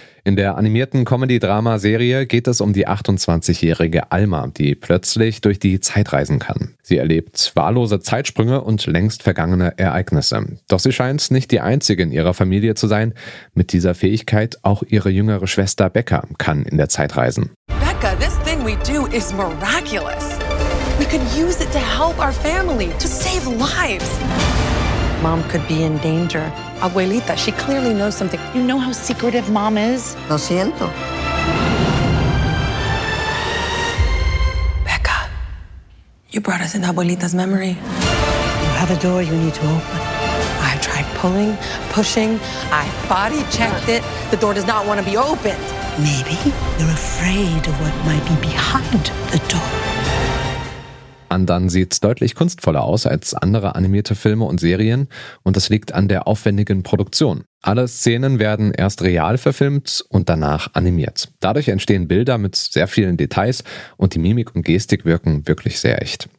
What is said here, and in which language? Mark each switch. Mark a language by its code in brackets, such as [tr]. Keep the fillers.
[de] In der animierten Comedy-Drama-Serie geht es um die 28-jährige Alma, die plötzlich durch die Zeit reisen kann. Sie erlebt wahllose Zeitsprünge und längst vergangene Ereignisse. Doch sie scheint nicht die einzige in ihrer Familie zu sein. Mit dieser Fähigkeit auch ihre jüngere Schwester Becca kann in der Zeit reisen. [en] Becca, this thing we do is miraculous. We could use it to help our family, to save lives. Mom could be in danger. Abuelita, she clearly knows something. You know how secretive Mom is? [es] Lo no siento. [en] Becca, you brought us into Abuelita's memory. You have a door you need to open. I tried pulling, pushing, I body checked it. The door does not want to be opened. Maybe you're afraid of what might be behind the door. [de] an dann sieht deutlich kunstvoller aus als andere animierte Filme und Serien und das liegt an der aufwendigen Produktion. Alle Szenen werden erst real verfilmt und danach animiert. Dadurch entstehen Bilder mit sehr vielen Details und die Mimik und Gestik wirken wirklich sehr echt.